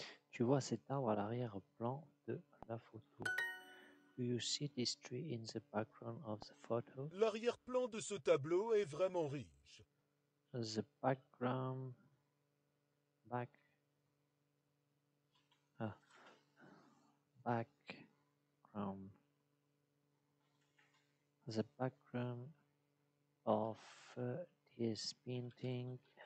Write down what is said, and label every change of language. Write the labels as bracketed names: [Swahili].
[French] Tu vois cet arbre à l'arrière-plan de la photo. [English] Do you see this tree in the background of the photo? [French] L'arrière-plan de ce tableau est vraiment riche. [English] The background. Back. Background. The background of this painting.